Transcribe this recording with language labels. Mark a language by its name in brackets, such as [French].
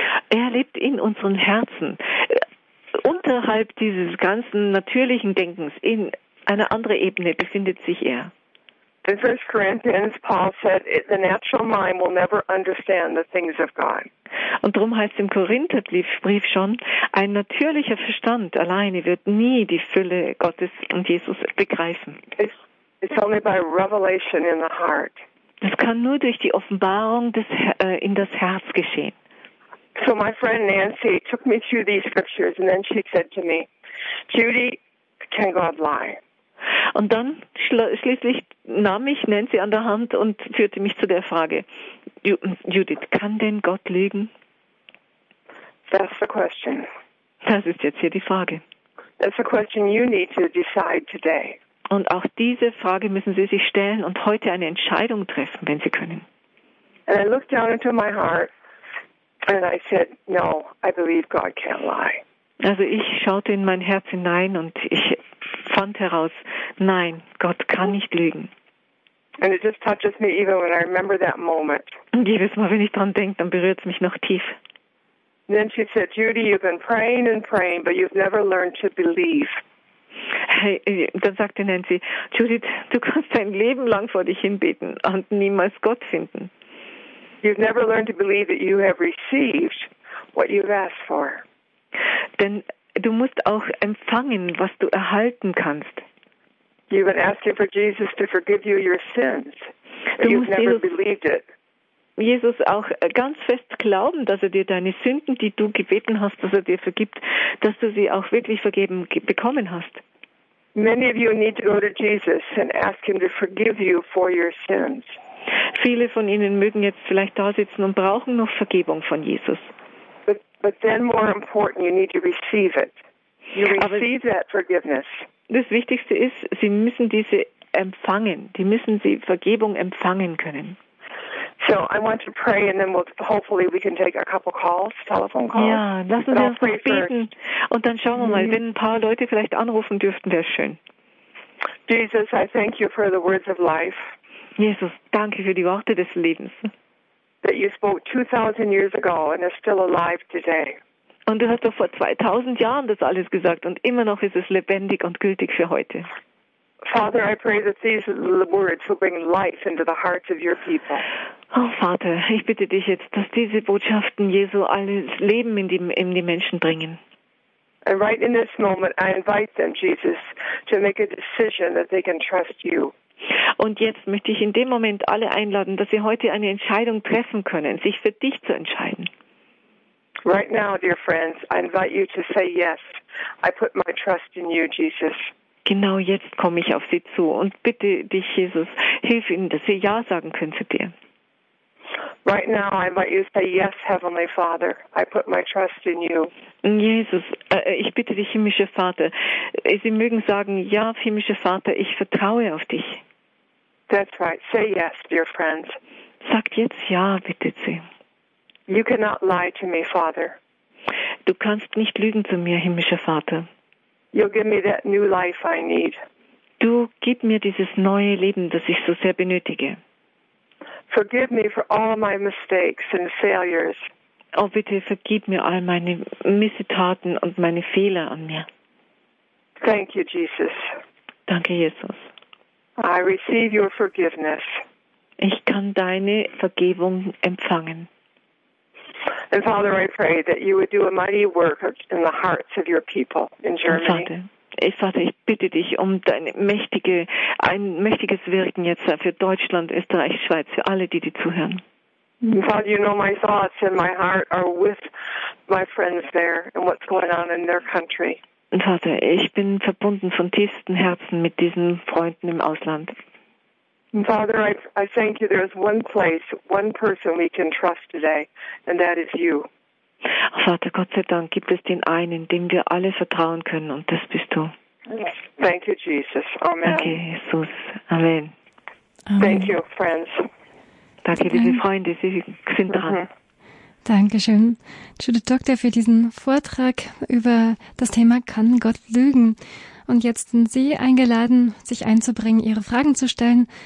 [German] Er lebt in unseren Herzen, unterhalb dieses ganzen natürlichen Denkens. In einer anderen Ebene befindet sich er. [English] In 1 Corinthians, Paul said, the natural mind will never understand the things of God. [German] Und darum heißt im Korintherbrief schon, ein natürlicher Verstand alleine wird nie die Fülle Gottes und Jesus begreifen. [English] It's only by revelation in the heart. [German] Es kann nur durch die Offenbarung in das Herz geschehen. [English] So my friend Nancy took me through these scriptures and then she said to me, Judy, can God lie? [German] Und dann schließlich nahm mich Nancy an der Hand und führte mich zu der Frage, Judith, kann denn Gott lügen? [English] That's the question. [German] Das ist jetzt hier die Frage. [English] That's the question you need to decide today. [German] Und auch diese Frage müssen Sie sich stellen und heute eine Entscheidung treffen, wenn Sie können. [English] And I looked down into my heart and I said, no, I believe God can't lie. [German] Also ich schaute in mein Herz hinein und ich fand heraus, nein, Gott kann nicht lügen. [English] And it just touches me even when I remember that moment. [German] Und jedes Mal, wenn ich dran denke, dann berührt es mich noch tief. [English] Then she said, Judy, you've been praying and praying, but you've never learned to believe. [German] Hey, dann sagte Nancy, Judith, du kannst dein Leben lang vor dich hinbeten und niemals Gott finden. [English] You've never learned to believe that you have received what you've asked for. [German] Denn du musst auch empfangen, was du erhalten kannst. [English] You've been asking for Jesus to forgive you your sins, but you've never believed it. [German] Jesus auch ganz fest glauben, dass er dir deine Sünden, die du gebeten hast, dass er dir vergibt, dass du sie auch wirklich vergeben bekommen hast. [English] Many of you need to go to Jesus and ask him to forgive you for your sins. [German] Viele von Ihnen mögen jetzt vielleicht da sitzen und brauchen noch Vergebung von Jesus. [English] But then more important, you need to receive it. You receive that forgiveness. [German] Das Wichtigste ist, Sie müssen diese empfangen. Die müssen Sie Vergebung empfangen können. [English] So I want to pray and then hopefully we can take a couple calls, telephone calls. [German] Ja, lassen Sie uns noch beten. Und dann schauen wir mal, wenn ein paar Leute vielleicht anrufen dürften, wäre schön. [English] Jesus, I thank you for the words of life. [German] Jesus, danke für die Worte des Lebens. [English] That you spoke 2,000 years ago and are still alive today. [German] Und du hast doch vor 2,000 Jahren das alles gesagt und immer noch ist es lebendig und gültig für heute. [English] Father, I pray that these words will bring life into the hearts of your people. [German] Oh Vater, ich bitte dich jetzt, dass diese Botschaften Jesu alles Leben in die Menschen bringen. [English] And right in this moment, I invite them, Jesus, to make a decision that they can trust you. [German] Und jetzt möchte ich in dem Moment alle einladen, dass sie heute eine Entscheidung treffen können, sich für dich zu entscheiden. [English] Right now, dear friends, I invite you to say yes. I put my trust in you, Jesus. [German] Genau jetzt komme ich auf sie zu und bitte dich, Jesus, hilf ihnen, dass sie ja sagen können zu dir. [English] Right now, I invite you to say yes, Heavenly Father. I put my trust in you. [German] Jesus, ich bitte dich, himmlischer Vater. Sie mögen sagen, ja, himmlischer Vater, ich vertraue auf dich. [English] That's right. Say yes, dear friends. [German] Sagt jetzt ja, bittet sie. [English] You cannot lie to me, Father. [German] Du kannst nicht lügen zu mir, himmlischer Vater. [English] You'll give me that new life I need. [German] Du gib mir dieses neue Leben, das ich so sehr benötige. [English] Forgive me for all my mistakes and failures. [German] Oh, bitte vergib mir all meine Missetaten und meine Fehler an mir. [English] Thank you, Jesus. [German] Danke, Jesus. [English] I receive your forgiveness. [German] Ich kann deine Vergebung empfangen. [English] And Father, I pray that you would do a mighty work in the hearts of your people in Germany. [German] Vater, ich bitte dich um ein mächtiges Wirken jetzt für Deutschland, Österreich, Schweiz, für alle, die dir zuhören. [English] Father, you know my thoughts and my heart are with my friends there and what's going on in their country. [German] Vater, ich bin verbunden von tiefstem Herzen mit diesen Freunden im Ausland. [English] Father, I thank you. There is one place, one person we can trust today, and that is you. [German] Vater, Gott sei Dank gibt es den einen, dem wir alle vertrauen können, und das bist du. [English] Thank you, Jesus. Amen. [German] Danke, Jesus. Amen. Amen. [English] Thank you, friends. [German] Danke, liebe Freunde. Sie sind dran. Dankeschön, Judith Doctor, für diesen Vortrag über das Thema »Kann Gott lügen?« Und jetzt sind Sie eingeladen, sich einzubringen, Ihre Fragen zu stellen.